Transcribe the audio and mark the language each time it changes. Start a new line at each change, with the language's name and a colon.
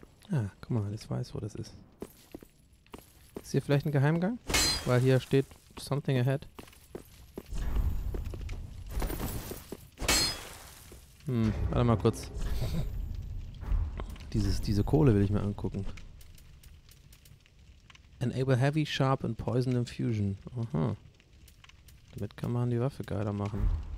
German: Ah, guck mal, jetzt weiß, wo das ist. Ist hier vielleicht ein Geheimgang? Weil hier steht
English: something ahead.
German: Warte mal kurz. Diese Kohle will ich mir angucken.
English: Enable heavy, sharp and poison infusion.
German: Aha. Damit kann man die Waffe geiler machen.